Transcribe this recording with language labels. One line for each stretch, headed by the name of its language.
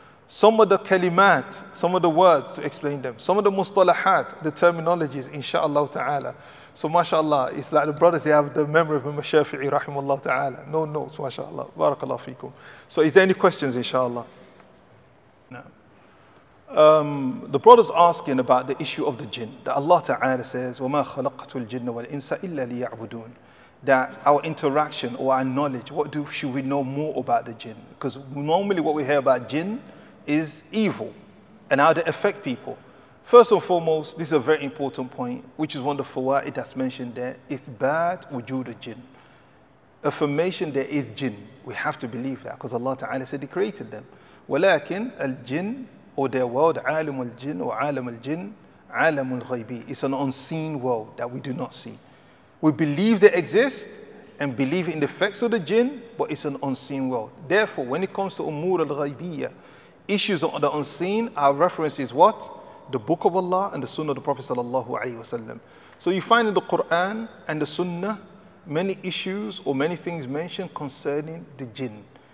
English: Some of the kalimat, some of the words to explain them. Some of the mustalahat, the terminologies, inshallah ta'ala. So mashallah, it's like the brothers, they have the memory of Imam Shafi'i, rahimahullah ta'ala. No notes, mashallah. Barakallah feekum. So is there any questions, inshallah? No. The brother's asking about the issue of the jinn. That Allah ta'ala says,
Arabic: وَمَا خَلَقَتُ الْجِنَّ وَالْإِنسَ إِلَّا لِيَعْبُدُونَ.
English: That our interaction or our knowledge, should we know more about the jinn? Because normally what we hear about jinn is evil and how they affect people. First and foremost, this is a very important point, which is one of the fawa'id that's mentioned there. It's bad wujud al-jinn. Affirmation there is jinn. We have to believe that because Allah ta'ala said he created them.
Arabic: وَلَكِنْ الْجِنْ
English: or their world,
Arabic: عَالَمُ الْجِنْ وَعَالَمُ الْجِنْ عَالَمُ الْغَيْبِ.
English: It's an unseen world that we do not see. We believe they exist and believe in the effects of the jinn, but it's an unseen world. Therefore, when it comes to umur al-ghaybiyya, issues of the unseen, our reference is what? The book of Allah and the sunnah of the Prophet sallallahu alayhi wasallam. So you find in the Quran and the sunnah, many issues or many things mentioned concerning the jinn.